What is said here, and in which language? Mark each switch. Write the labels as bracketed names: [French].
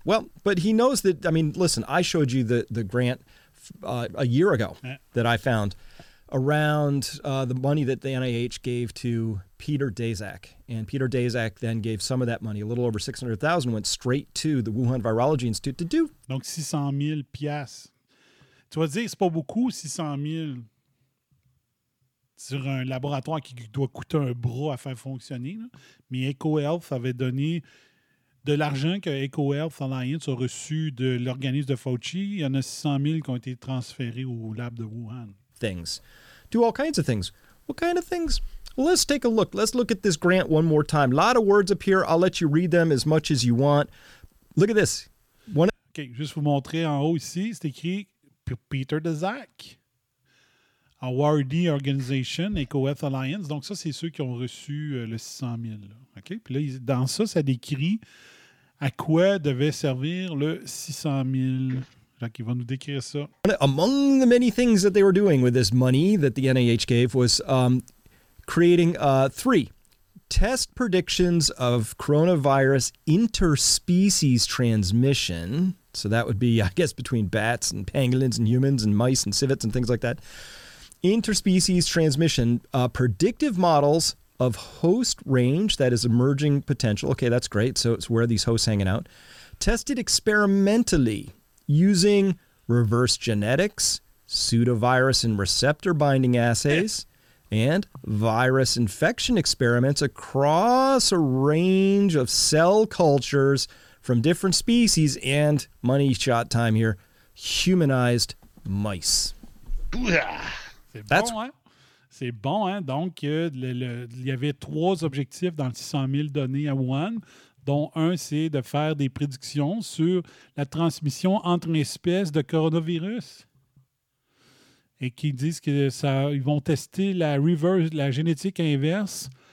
[English] Well, but he knows that, I mean, listen, I showed you the grant a year ago that I found around the money that the NIH gave to Peter Daszak. And Peter Daszak then gave some of that money, a little over $600,000, went straight to the Wuhan Virology Institute to do. [French] Donc 600 000 piastres. Tu vas dire, c'est pas beaucoup, 600 000 sur un laboratoire qui doit coûter un bras à faire fonctionner. Là. Mais EcoHealth avait donné de l'argent que EcoHealth Alliance a reçu de l'organisme de Fauci. Il y en a 600 000 qui ont été transférés au lab de Wuhan. [English] Things. Do all kinds of things. What kind of things? Well, let's take a look. Let's look at this grant one more time. A lot of words up here. I'll let you read them as much as you want. Look at this. One... [French] OK, juste vous montrer en haut ici, c'est écrit Peter Daszak, Awardee Organization, EcoHealth Alliance. Donc ça, c'est ceux qui ont reçu le 600 000. Là. OK? Puis là, dans ça, ça décrit à quoi devait servir le 600 000. Jacques, il va nous décrire ça. [English] Among the many things that they were doing with this money that the NIH gave was creating three test predictions of coronavirus interspecies transmission. So that would be, I guess, between bats and pangolins and humans and mice and civets and things like that. Interspecies transmission, predictive models of host range, that is emerging potential. Okay, that's great. So it's where are these hosts hanging out? Tested experimentally using reverse genetics, pseudovirus and receptor binding assays, and virus infection experiments across a range of cell cultures from different species and, money shot time here, humanized mice. [French] C'est bon, hein? C'est bon, hein? Donc, il y avait trois objectifs dans le 600 000 données à Wuhan, dont un, c'est de faire des prédictions sur la transmission entre espèces de coronavirus. Et qu'ils disent que ça, ils vont tester la génétique inverse.